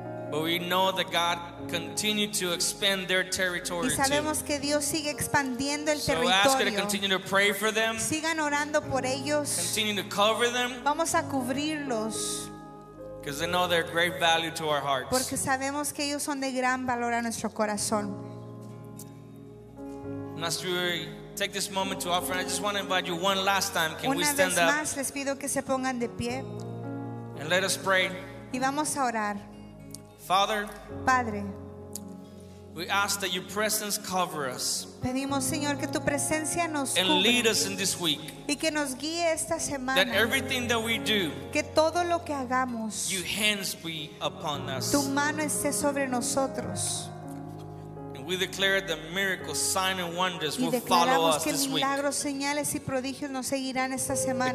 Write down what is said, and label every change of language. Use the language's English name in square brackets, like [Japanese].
[English] But we know that God continued to expand their territory. [Spanish] Y sabemos [English] too. [Spanish] Que Dios sigue expandiendo el [English] so [Spanish] territorio. [English] So ask to continue to pray for them. [Spanish] Sigan orando por ellos. [English] Continue to cover them. [Spanish] Vamos a cubrirlos. [English] Because they know they're great value to our hearts. [Spanish] Porque sabemos que ellos son de gran valor a nuestro corazón. [English] And as we take this moment to offer, I just want to invite you one last time. Can [Spanish] una [English] we stand [Spanish] vez más, [English] up? [Spanish] Les pido que se pongan de pie. [English] And let us pray. [Spanish] Y vamos a orar. [English] Father. [Spanish] Padre. [English] We ask that your presence cover us. [Spanish] Pedimos, Señor, que tu presencia nos cubra. [English] And lead us in this week. [Spanish] Y que nos guíe esta semana. [English] That everything that we do. [Spanish] Que todo lo que hagamos. [English] Your hands be upon us. [Spanish] Tu mano esté sobre nosotros. [English] And we declare that miracles, signs, and wonders will follow us this week. [Spanish] Y milagros, señales y prodigios nos seguirán esta semana.